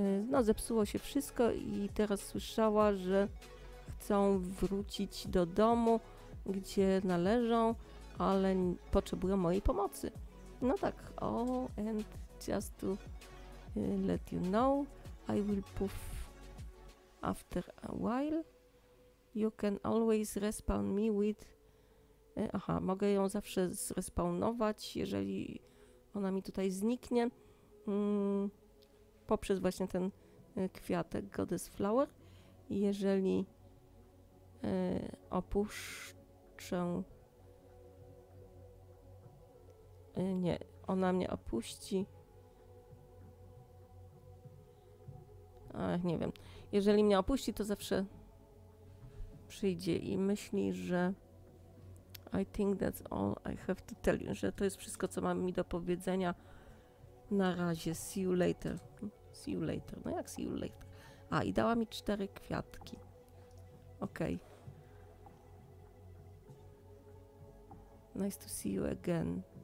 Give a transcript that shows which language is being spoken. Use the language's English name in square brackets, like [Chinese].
[Polish] No, zepsuło się wszystko i teraz słyszała, że chcą wrócić do domu, gdzie należą, ale potrzebują mojej pomocy. No tak, [English] oh, and just to let you know, I will poof after a while. You can always respawn me with. [Polish] Aha, mogę ją zawsze zrespawnować, jeżeli ona mi tutaj zniknie. Poprzez właśnie ten kwiatek Goddess Flower. Jeżeli opuszczę. Nie, ona mnie opuści. Ach, nie wiem. Jeżeli mnie opuści, to zawsze przyjdzie i myśli, że. [English] I think that's all I have to tell you. [Polish] Że to jest wszystko, co mam mi do powiedzenia na razie. [English] See you later. See you later. [Polish] No jak [English] see you later? [Polish] A, i dała mi cztery kwiatki. Okej. Okay. [English] Nice to see you again.